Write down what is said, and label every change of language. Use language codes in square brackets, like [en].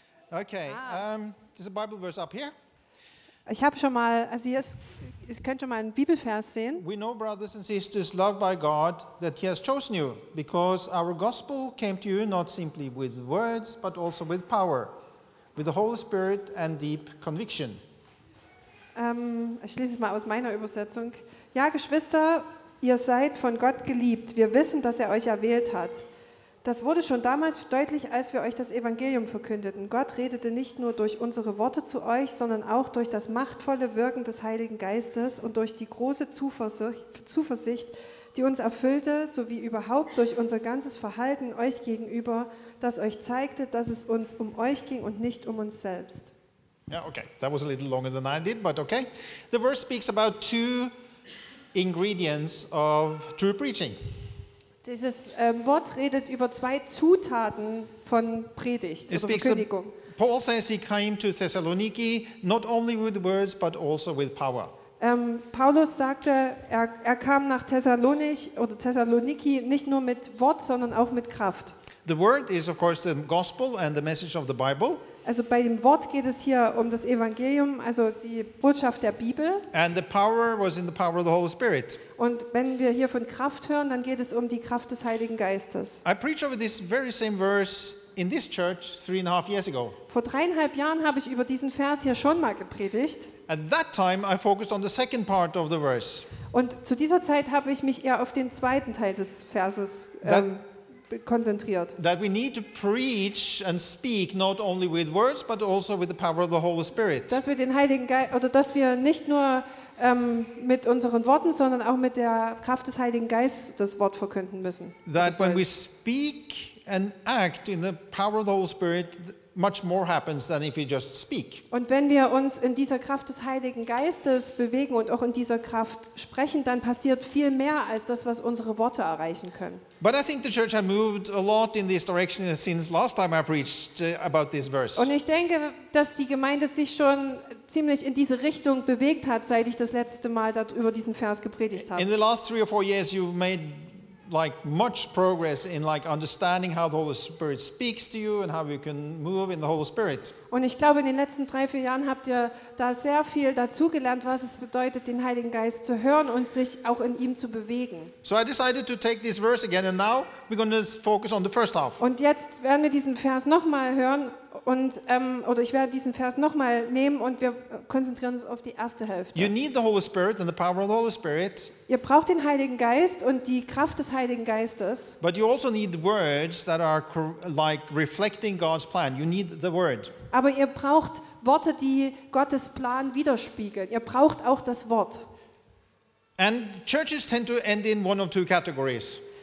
[en] Okay, there's a Bible verse up here. [de] Ich habe schon mal, also hier ist, ihr könnt schon mal einen Bibelvers sehen. [en] We know, brothers and sisters, loved by God, that he has chosen you, because our gospel came to you not simply with words, but also with power, with the Holy Spirit and deep conviction. [de] Ich lese es mal aus meiner Übersetzung. Ja, Geschwister, ihr seid von Gott geliebt. Wir wissen, dass er euch erwählt hat. Das wurde schon damals deutlich, als wir euch das Evangelium verkündeten. Gott redete nicht nur durch unsere Worte zu euch, sondern auch durch das machtvolle Wirken des Heiligen Geistes und durch die große Zuversicht, die uns erfüllte, sowie überhaupt durch unser ganzes Verhalten euch gegenüber, das euch zeigte, dass es uns um euch ging und nicht um uns selbst. [en] Yeah, okay, that was a little longer than I did, but okay. The verse speaks about two ingredients of true preaching. [de] Dieses Wort redet über zwei Zutaten von Predigt, über Verkündigung. [en] Paul says he came to Thessaloniki not only with words, but also with power. [de] Paulus sagte, er kam nach Thessaloniki nicht nur mit Wort, sondern auch mit Kraft. [en] The word is of course the gospel and the message of the Bible. [de] Also bei dem Wort geht es hier um das Evangelium, also die Botschaft der Bibel. [en] And the power was in the power of the Holy Spirit. [de] Und wenn wir hier von Kraft hören, dann geht es um die Kraft des Heiligen Geistes. [en] I preached over this very same verse in this church 3.5 years ago. [de] Vor 3.5 Jahren habe ich über diesen Vers hier schon mal gepredigt. [en] At that time I focused on the second part of the verse. [de] Und zu dieser Zeit habe ich mich eher auf den zweiten Teil des Verses konzentriert. [en] That we need to preach and speak not only with words but also with the power of the Holy Spirit. [de] Dass wir den Heiligen Geist oder dass wir nicht nur mit unseren Worten, sondern auch mit der Kraft des Heiligen Geistes das Wort verkünden müssen. [en] That when we speak and act in the power of the Holy Spirit, much more happens than if we just speak. [de] Und wenn wir uns in dieser Kraft des Heiligen Geistes bewegen und auch in dieser Kraft sprechen, dann passiert viel mehr als das, was unsere Worte erreichen können. [en] But I think the church has moved a lot in this direction since last time I preached about this verse. [de] Und ich denke, dass die Gemeinde sich schon ziemlich in diese Richtung bewegt hat, seit ich das letzte Mal über diesen Vers gepredigt habe. [en] In the last 3 or 4 years you've made like much progress in like understanding how the Holy Spirit speaks to you and how you can move in the Holy Spirit. [de] Und ich glaube, in den letzten 3-4 Jahren habt ihr da sehr viel dazugelernt, was es bedeutet, den Heiligen Geist zu hören und sich auch in ihm zu bewegen. [en] So I decided to take this verse again and now we're going to focus on the first half. [de] Und jetzt werden wir diesen Vers nochmal hören und oder ich werde diesen Vers nochmal nehmen und wir konzentrieren uns auf die erste Hälfte. [en] You need the Holy Spirit and the power of the Holy Spirit. [de] Ihr braucht den Heiligen Geist und die Kraft des Heiligen Geistes. [en] But you also need words that are like reflecting God's plan. You need the word. [de] Aber ihr braucht Worte, die Gottes Plan widerspiegeln. Ihr braucht auch das Wort. [en] And churches tend to end in one of two categories.